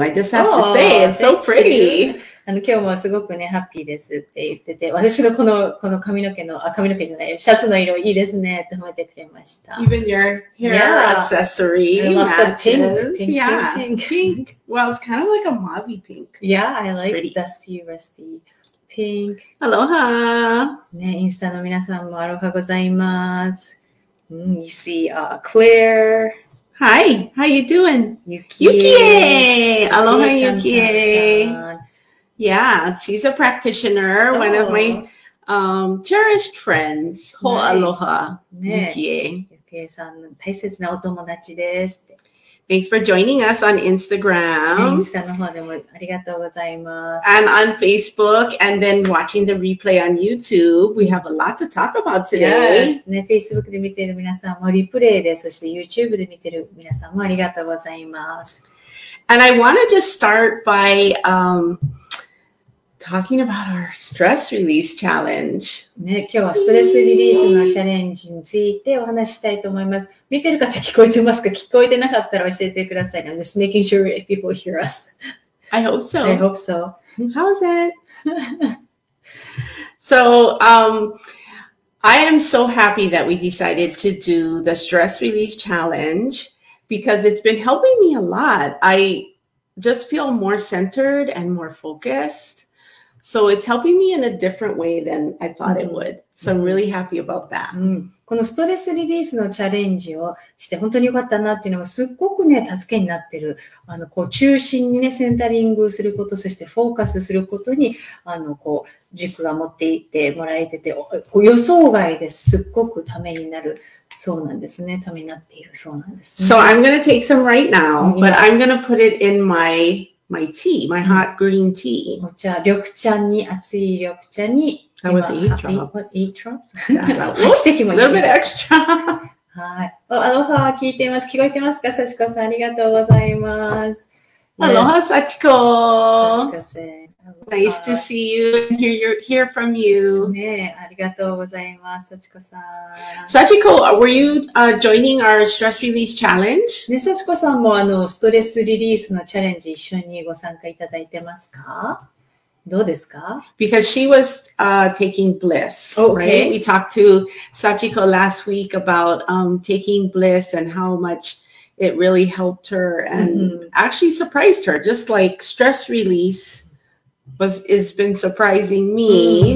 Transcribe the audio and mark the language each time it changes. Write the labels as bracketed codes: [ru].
[en] I just have to say, it's so pretty. [ja] あの今日もすごくね、ハッピーですって言ってて、私のこの髪の毛の、あ、髪の毛じゃない、シャツの色いいですねって褒めてくれました。 [en] Even your hair accessory matches. Lots of pink. Yeah, pink. Well, it's kind of like a mauve-y pink. Yeah, I like dusty, rusty pink. Aloha! [ja] ね、インスタの皆さんもアロハございます。 [en] Mm, you see, Claire. Hi, how you doing? Yukie! Aloha, Yukie! Yeah, she's a practitioner, one of my cherished friends. [haw] Ho aloha, Yukie. [ja] Yukie-san, 大切なお友達です。 [en] Thanks for joining us on Instagram. [ja] インスタの方でもありがとうございます。 [en] And on Facebook, and then watching the replay on YouTube. We have a lot to talk about today. [ja] Yes, ね、Facebook で見ている皆さんもリプレイで、そして YouTube で見ている皆さんもありがとうございます。 [en] And I want to just start by... talking about our stress release challenge. [ja] ね、今日はストレスリリースのチャレンジについてお話したいと思います。見てる方聞こえてますか？聞こえてなかったら教えてください。 [en] I'm just making sure if people hear us. I hope so. I hope so. How is it? So, I am so happy that we decided to do the stress release challenge because it's been helping me a lot. I just feel more centered and more focused. So it's helping me in a different way than I thought it would. So I'm really happy about that. [ja] このストレスリリースのチャレンジをして本当に良かったなっていうのがすっごくね、助けになってる。あの、こう、中心にね、センタリングすること、そしてフォーカスすることに、あの、こう、軸が持っていってもらえてて、予想外ですっごくためになる。そうなんですね。ためになっているそうなんですね。 [en] So I'm going to take some right now, but I'm going to put it in my tea, my hot green tea. [ja] お茶、緑茶に、熱い緑茶に。 [en] That was eight drops. Eight drops? Yeah, that was a little bit extra. [ja] はい。アロハ聞いてます。聞こえてますか、サチコさん。ありがとうございます。アロハ、サチコ。 [en] Nice to see you and hear from you. [ja] ねえ、ありがとうございます、サチコさん。 [en] サチコ、were you joining our stress release challenge? [ja] ねえ、サチコさんもあのストレスリリースのチャレンジ一緒にご参加いただいてますか? どうですか? [en] Because she was taking bliss, okay. right? We talked to Sachiko last week about taking bliss and how much... It really helped her and actually surprised her. Just like stress release has been surprising me.